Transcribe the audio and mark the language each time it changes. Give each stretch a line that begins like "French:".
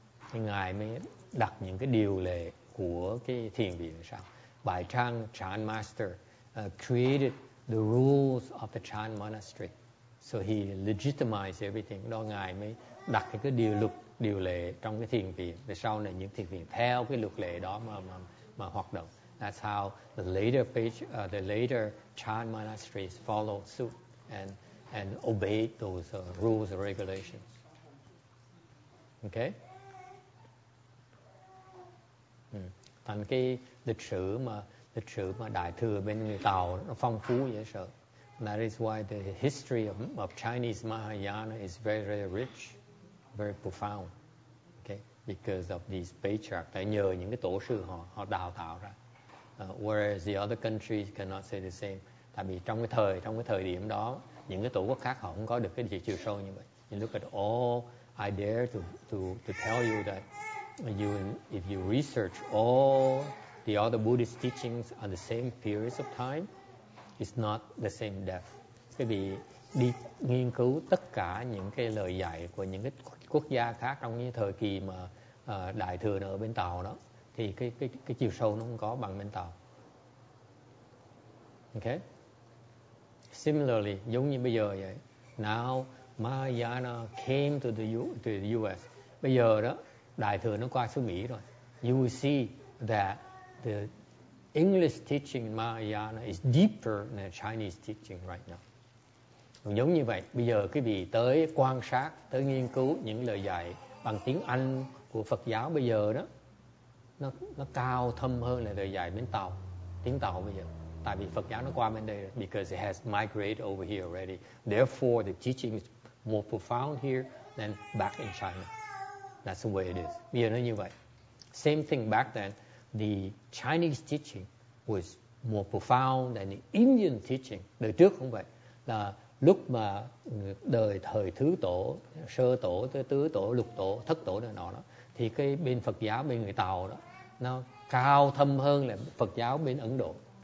Vietnamese: Thì ngài mới đặt những cái điều lệ của cái thiền viện sao.
English: Bài Trang Chan Master created the rules of the Chan Monastery. So he legitimized everything.
Vietnamese: Đó ngài mới đặt cái điều luật, điều lệ trong cái thiền viện. Và sau này những thiền viện theo cái luật lệ đó mà hoạt động.
English: That's how the later Chan Monasteries followed suit and obey those rules and regulations. Okay?
Vietnamese: Thành cái lịch sử mà đại thừa bên người Tàu nó phong phú dễ sợ.
English: That is why the history of Chinese Mahayana is very, very rich, very profound. Okay? Because of these patriarchs,
Vietnamese: tại nhờ những cái tổ sư họ đào tạo ra.
English: Whereas the other countries cannot say the same.
Vietnamese: Tại vì trong cái thời điểm đó, những cái tổ quốc khác họ không có được cái gì chiều sâu như vậy.
English: You look at all, I dare to tell you that if you research all the other Buddhist teachings on the same periods of time, it's not the same depth.
Vietnamese: Cái vì đi nghiên cứu tất cả những cái lời dạy của những cái quốc gia khác trong những thời kỳ mà đại thừa ở bên Tàu đó, thì cái chiều sâu nó không có bằng bên Tàu.
English: Okay? Similarly,
Vietnamese: giống như bây giờ vậy.
English: Now Mahayana came to the U.S.
Vietnamese: Bây giờ đó, đại thừa nó qua xứ Mỹ rồi.
English: You will see that the English teaching in Mahayana is deeper than Chinese teaching right now.
Vietnamese: Giống như vậy, bây giờ quý vị tới quan sát, tới nghiên cứu những lời dạy bằng tiếng Anh của Phật giáo bây giờ đó, nó cao thâm hơn là lời dạy bên Tàu, tiếng Tàu bây giờ. Tại vì Phật giáo nó qua bên đây,
English: because it has migrated over here already. Therefore, the teaching is more profound here than back in China. That's the way it is.
Vietnamese: Bây giờ nó như vậy.
English: Same thing back then, the Chinese teaching was more profound than the Indian teaching.
Vietnamese: Đời trước cũng vậy. Là lúc mà đời thời thứ tổ, sơ tổ, tới tứ tổ, lục tổ, thất tổ này nọ đó, thì cái bên Phật giáo bên người Tàu đó, nó cao thâm hơn là Phật giáo bên Ấn Độ.